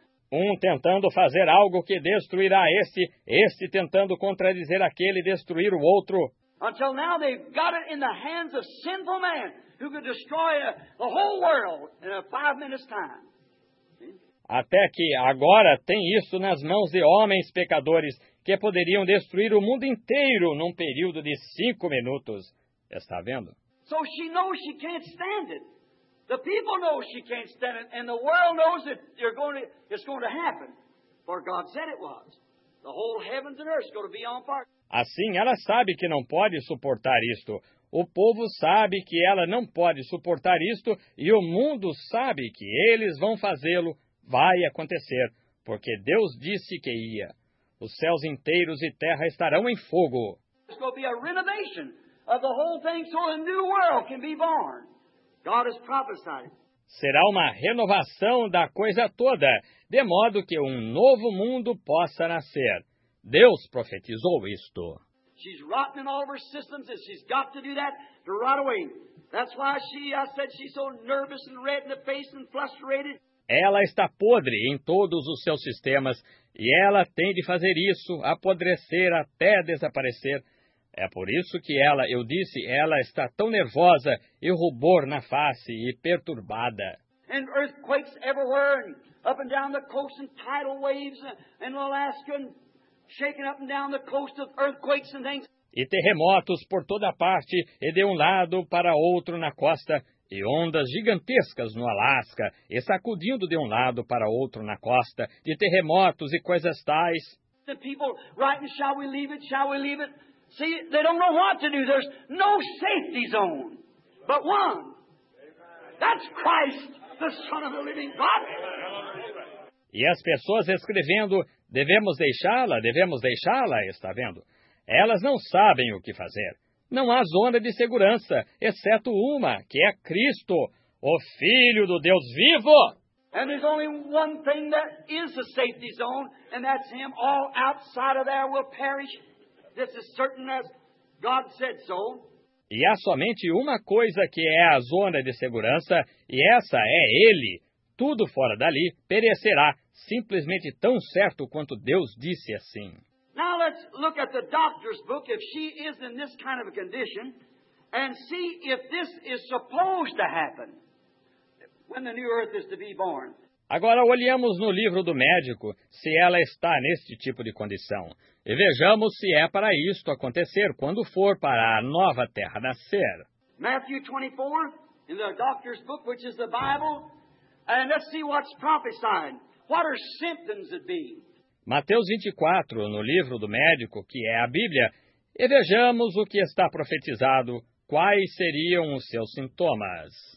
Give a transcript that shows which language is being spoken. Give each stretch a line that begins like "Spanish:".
Portuguese: Um tentando fazer algo que destruirá esse, este tentando contradizer aquele e destruir o outro.
English: Until now they've got it in the hands of sinful man who could destroy the whole world in a 5 minutes time.
Portuguese: Até que agora tem isso nas mãos de homens pecadores que poderiam destruir o mundo inteiro num período de 5 minutos. Está vendo?
English: So she knows she can't stand it. The people know she can't stand it, and the world knows that you're going to, it's going to happen. For God said it was. The whole heavens and earth is going to be on fire.
Portuguese: Assim, ela sabe que não pode suportar isto. O povo sabe que ela não pode suportar isto, e o mundo sabe que eles vão fazê-lo. Vai acontecer, porque Deus disse que ia. Os céus inteiros e terra estarão em fogo.
English: It's going to be a renovation of the whole thing so a new world can be born. God has prophesied.
Portuguese: Será uma renovação da coisa toda, de modo que um novo mundo possa nascer. Deus profetizou isto.
English: She's rotten in all of her systems and she's got to do that to rot away. That's why she, I said, she's so nervous and red in the face and frustrated.
Portuguese: Ela está podre em todos os seus sistemas e ela tem de fazer isso, apodrecer até desaparecer. É por isso que ela, eu disse, ela está tão nervosa e rubor na face e perturbada.
English: And earthquakes everywhere, and up and down the coast, and tidal waves, and Alaska, and shaking up and down the coast of earthquakes and things.
Portuguese: E terremotos por toda parte, e de um lado para outro na costa, e ondas gigantescas no Alasca, e sacudindo de um lado para outro na costa, de terremotos e coisas tais.
English: The people writing, shall we leave it, shall we leave it? See, they don't know what to do. There's no safety zone but one. That's Christ, the Son of the living God.
Portuguese: E as pessoas escrevendo, devemos deixá-la, está vendo? Elas não sabem o que fazer. Não há zona de segurança, exceto uma, que é Cristo, o Filho do Deus vivo.
English: And there's only one thing that is a safety zone, and that's him. All outside of there will perish. This is certain as God said so.
Portuguese: E há somente uma coisa que é a zona de segurança, e essa é ele. Tudo fora dali perecerá, simplesmente tão certo quanto Deus disse assim.
English: Now let's look at the doctor's book, if she is in this kind of a condition, and see if this is supposed to happen when the new earth is to be born.
Portuguese: Agora olhamos no livro do médico se ela está neste tipo de condição. E vejamos se é para isto acontecer quando for para a nova terra nascer.
English: Matthew 24, in the doctor's book, which is the Bible. And let's see what's prophesied. What are symptoms it be?
Portuguese: Mateus 24, no livro do médico, que é a Bíblia. E vejamos o que está profetizado. Quais seriam os seus sintomas?